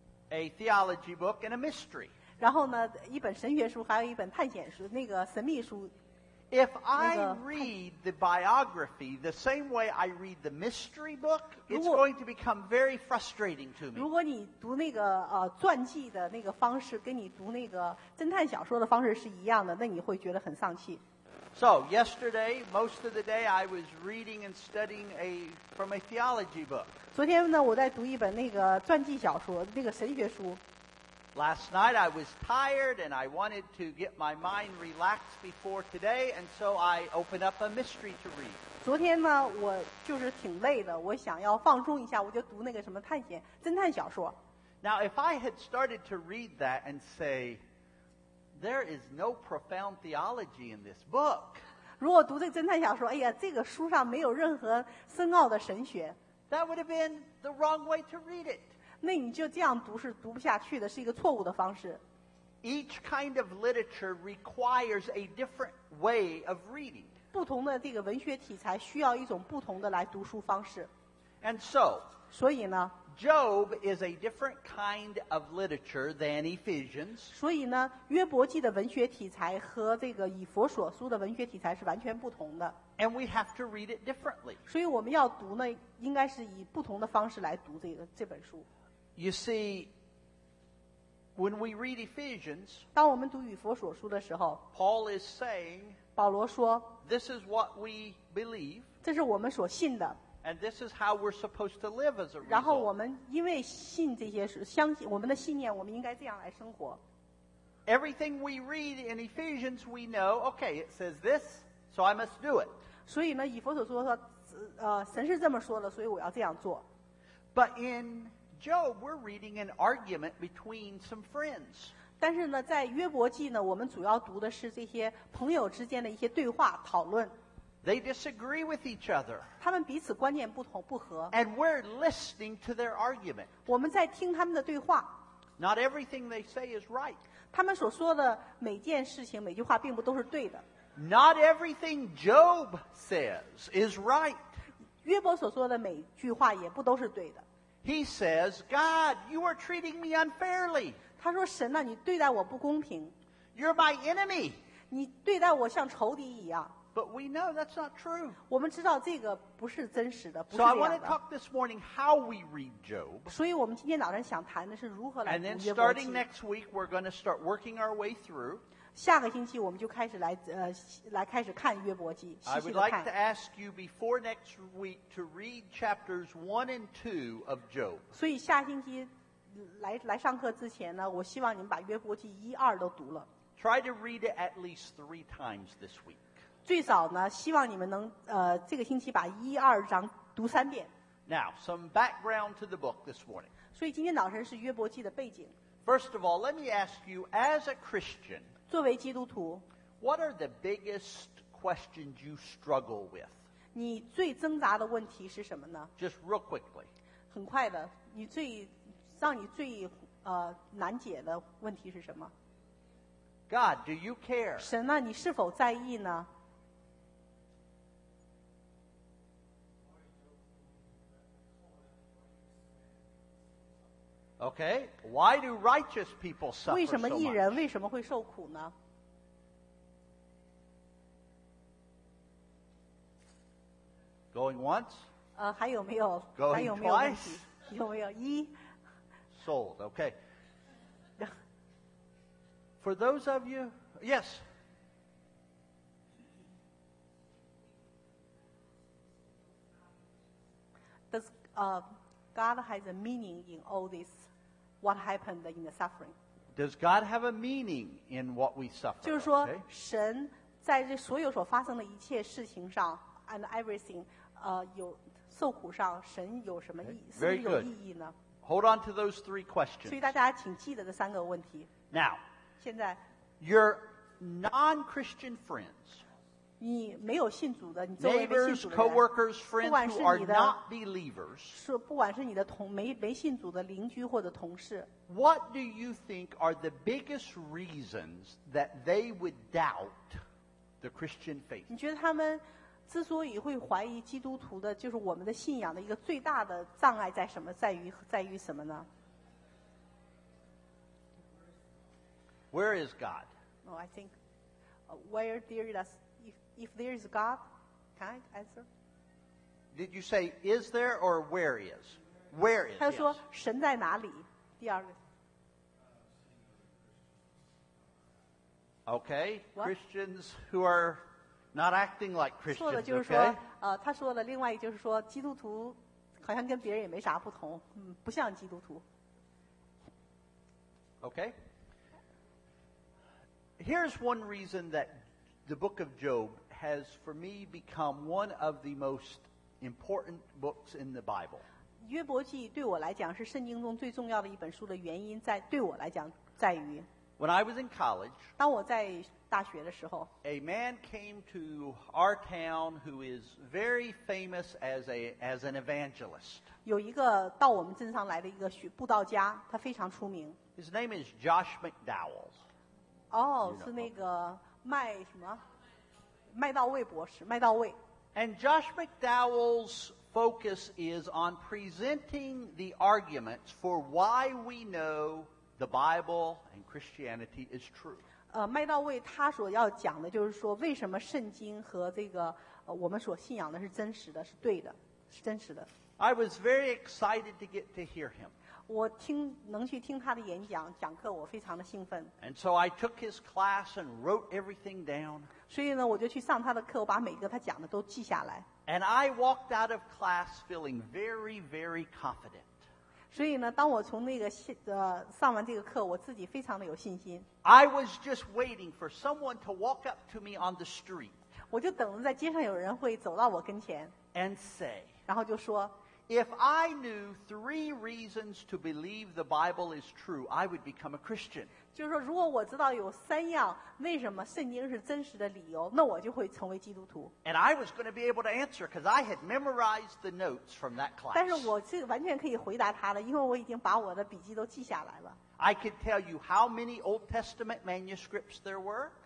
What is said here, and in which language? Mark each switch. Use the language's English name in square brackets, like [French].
[English] A theology book and a mystery. [Chinese] 然后呢，一本神学书，还有一本探险书，那个神秘书。 [English] If I read the biography the same way I read the mystery book, it's going to become very frustrating to me. [Chinese] 如果你读那个传记的那个方式跟你读那个侦探小说的方式是一样的，那你会觉得很丧气。 [English] So yesterday, most of the day, I was reading and studying from a theology book. [Chinese] 昨天呢，我在读一本那个传记小说，那个神学书。 [English] Last night I was tired and I wanted to get my mind relaxed before today, and so I opened up a mystery to read. [Chinese] 昨天呢，我就是挺累的，我想要放松一下，我就读那个什么探险侦探小说。 [English] Now, if I had started to read that and say, there is no profound theology in this book. [Chinese] 如果读这个侦探小说，哎呀，这个书上没有任何深奥的神学。 [English] That would have been the wrong way to read it. [Chinese] 那你就这样读是读不下去的，是一个错误的方式。 [English] Each kind of literature requires a different way of reading. [Chinese] 不同的这个文学题材需要一种不同的来读书方式。 [English] And so, [Chinese] 所以呢 [English] ，Job is a different kind of literature than Ephesians. [Chinese] 所以呢，约伯记的文学题材和这个以弗所书的文学题材是完全不同的。 [English] And we have to read it differently. [Chinese] 所以我们要读呢，应该是以不同的方式来读这本书。 [English] You see, when we read Ephesians, [Chinese] 当我们读以弗所书的时候 [English] ，Paul is saying, [Chinese] 保罗说 [English] ，This is what we believe. [Chinese] 这是我们所信的。 [English] And this is how we're supposed to live as a result. [Chinese] 然后我们因为信这些是相信我们的信念，我们应该这样来生活。 [English] Everything we read in Ephesians, we know, okay, it says this, so I must do it. [Chinese] 所以呢，以弗所书说，神是这么说的，所以我要这样做。 [English] But in Job, we're reading an argument between some friends. [Chinese] 但是呢，在约伯记呢，我们主要读的是这些朋友之间的一些对话讨论。 [English] They disagree with each other. [Chinese] 他们彼此观念不同不合。 [English] And we're listening to their argument. [Chinese] 我们在听他们的对话。 [English] Not everything they say is right. [Chinese] 他们所说的每件事情每句话并不都是对的。 [English] Not everything Job says is right. [Chinese] 约伯所说的每句话也不都是对的。 [English] He says, God, you are treating me unfairly. [Chinese] 他说神啊你对待我不公平。 [English] You're my enemy. [Chinese] 你对待我像仇敌一样。 [English] But we know that's not true. [Chinese] 我们知道这个不是真实的，不是这样的。 [English] So I want to talk this morning how we read Job. [Chinese] 所以我们今天早上想谈的是如何来读约伯记。 [English] And then starting next week, we're going to start working our way through. [Chinese] 下个星期我们就开始来来开始看约伯记，细细的看。 [English] I would like to ask you before next week to read chapters 1 and 2 of Job. [Chinese] 所以下星期来上课之前呢，我希望你们把约伯记一二都读了。 [English] Try to read it at least 3 times this week. [Chinese] 最早呢，希望你们能这个星期把一二章读三遍。 [English] Now, some background to the book this morning. [Chinese] 所以今天早晨是约伯记的背景。 [English] First of all, let me ask you, as a Christian, [Chinese] 作为基督徒 [English] ，What are the biggest questions you struggle with? [Chinese] 你最挣扎的问题是什么呢 [English] ？Just real quickly. [Chinese] 很快的，你最让你最难解的问题是什么 [English] ？God, do you care? [Chinese] 神呢、啊？你是否在意呢？ [English] Okay, why do righteous people suffer so much? [Chinese] 为什么义人为什么会受苦呢 [English] ？Going once? [Chinese] 还有没有 [English] ？Going [Chinese] 还有没有 [English] twice? [Chinese] 有没有一 [English] ？Sold. Okay. For those of you, yes. Does God has a meaning in all this? What happened in the suffering? Does God have a meaning in what we suffer? [Chinese] 就是说，神在这所有所发生的一切事情上 ， [English] and everything， [Chinese] 有受苦上，神有什么意？是不是有意义呢 [English] ？Hold on to those 3 questions. [Chinese] 所以大家请记得这三个问题。 [English] Now， [Chinese] 现在 [English] ，your non-Christian friends， [Chinese] 你没有信主的，你周围没信主的 [English] ，coworkers, friends who are not believers， [Chinese] 是不管是你的同没信主的邻居或者同事。 [English] What do you think are the biggest reasons that they would doubt the Christian faith？ [Chinese] 你觉得他们之所以会怀疑基督徒的，就是我们的信仰的一个最大的障碍在什么？在于什么呢 [English] ？Where is God？ Oh, I think where there is. If there is God, can I answer? Did you say is there or where is? Where is? [Chinese] 他说神在哪里？第二个。 [English] Okay,、 What? Christians who are not acting like Christians. [Chinese] 错的就是说， [English] okay? [Chinese] 他说的另外一个就是说，基督徒好像跟别人也没啥不同，不像基督徒。 [English] Okay. Here's one reason that. The book of Job has, for me, become one of the most important books in the Bible. [Chinese] 约伯记对我来讲是圣经中最重要的一本书的原因在对我来讲在于 [English] When I was in college, [Chinese] 当我在大学的时候 [English] a man came to our town who is very famous as an evangelist. [Chinese] 有一个到我们镇上来的一个布道家，他非常出名 [English] His name is Josh McDowell. [Chinese] 哦，是那个。麦什么？麦道卫博士，麦道卫。 [English] And Josh McDowell's focus is on presenting the arguments for why we know the Bible and Christianity is true. [Chinese] 麦道卫他所要讲的就是说，为什么圣经和这个我们所信仰的是真实的，是对的，是真实的。 [English] I was very excited to get to hear him. [Chinese] 我听能去听他的演讲讲课，我非常的兴奋。 [English] And so I took his class and wrote everything down. [Chinese] 所以呢，我就去上他的课，我把每个他讲的都记下来。 [English] And I walked out of class feeling very, very confident. [Chinese] 所以呢，当我从那个上完这个课，我自己非常的有信心。 [English] I was just waiting for someone to walk up to me on the street. [Chinese] 我就等着在街上有人会走到我跟前。 [English] And say. [Chinese] 然后就说。 [English] If I knew three reasons to believe the Bible is true, I would become a Christian. [Chinese] 就是说，如果我知道有三样为什么圣经是真实的理由，那我就会成为基督徒。 [English] And I was going to be able to answer because I had memorized the notes from that class. [Chinese] 但是我是完全可以回答他的，因为我已经把我的笔记都记下来了。 [English] I could tell you how many Old Testament manuscripts there were.